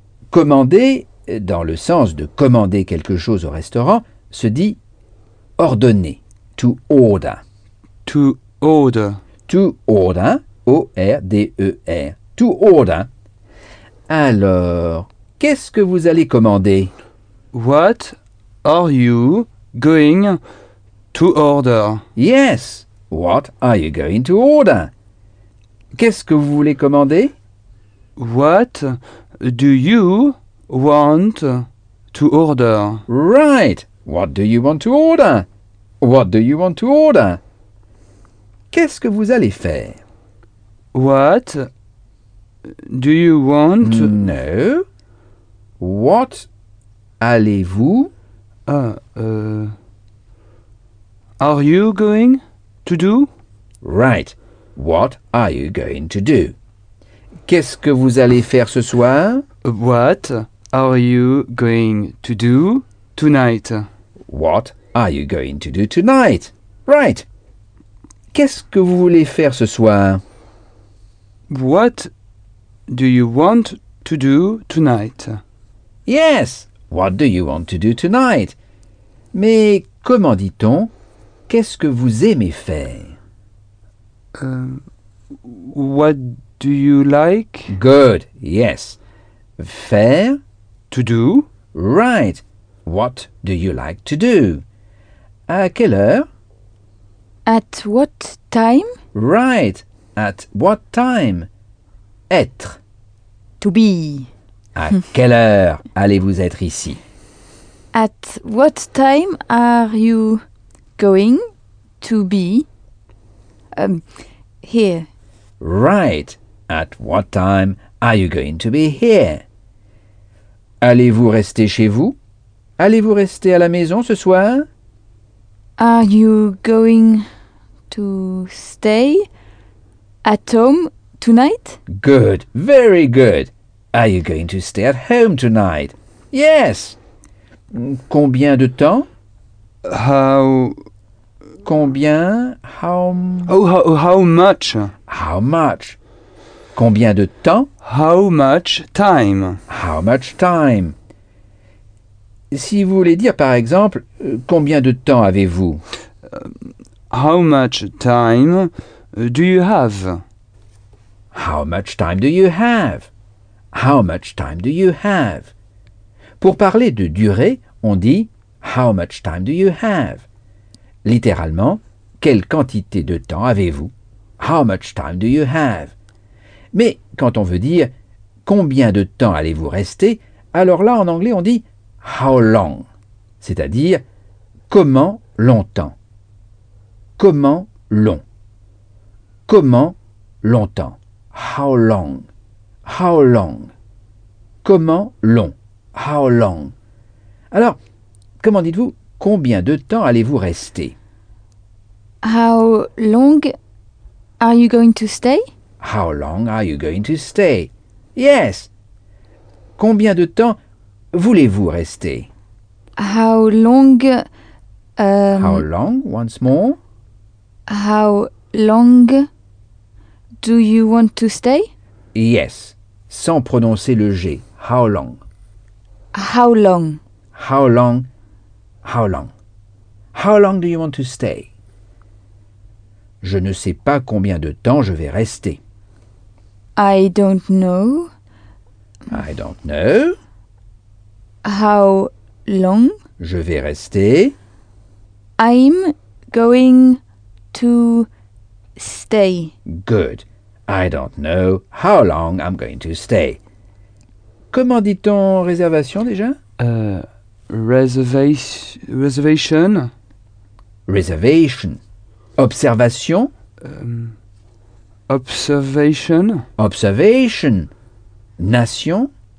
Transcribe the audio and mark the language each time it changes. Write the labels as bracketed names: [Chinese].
[French] Commander, dans le sens de commander quelque chose au restaurant, se dit ordonner. [English] To order. To order. To order. O-R-D-E-R. To order. [French] Alors, qu'est-ce que vous allez commander? [English] What are you going to order? Yes. What are you going to order? [French] Qu'est-ce que vous voulez commander? [English] What do you want to order? Right. What do you want to order? What do you want to order? [French] Qu'est-ce que vous allez faire? [English] What do you want to... No. What [French] allez-vous... [English] Are you going to do? Right. What are you going to do? [French] Qu'est-ce que vous allez faire ce soir? [English] What are you going to do tonight? What are you going to do tonight? Right. [French] Qu'est-ce que vous voulez faire ce soir? [English] What do you want to do tonight? Yes. What do you want to do tonight? [French] Mais comment dit-on? Qu'est-ce que vous aimez faire? [English] What do you like? Good, yes. Faire? To do. Right. What do you like to do? [French] À quelle heure? [English] At what time? Right. At what time? Être. To be. [French] À quelle heure allez-vous être ici? [English] At what time are you going to be here? Right. At what time are you going to be here? [French] Allez-vous rester chez vous? Allez-vous rester à la maison ce soir? [English] Are you going to stay at home tonight? Good. Very good. Are you going to stay at home tonight? [French] Yes. Combien de temps? [English] How... Combien? How... Oh, how much? How much? [French] Combien de temps? [English] How much time? How much time? [French] Si vous voulez dire, par exemple, combien de temps avez-vous? [English] How much time do you have? How much time do you have? How much time do you have? [French] Pour parler de durée, on dit [English] how much time do you have? [French] Littéralement, quelle quantité de temps avez-vous? [English] How much time do you have? [French] Mais quand on veut dire combien de temps allez-vous rester, alors là en anglais on dit [English] how long, [French] c'est-à-dire comment longtemps. Comment long. Comment longtemps. [English] How long. [French] How long. Comment long. How long. Alors, comment dites-vous, combien de temps allez-vous rester? [English] How long are you going to stay? How long are you going to stay? Yes. [French] Combien de temps voulez-vous rester? [English] How long... How long, once more? How long do you want to stay? [French] Yes. sans prononcer le G. [English] How long? How long? How long? How long? How long do you want to stay? [French] Je ne sais pas combien de temps je vais rester. [English] I don't know. I don't know. How long? [French] Je vais rester. [English] I'm going to stay. Good. I don't know how long I'm going to stay. [French] Comment dit-on réservation déjà? [English] Reservation. Reservation. Observation. Observation. Observation. Nation.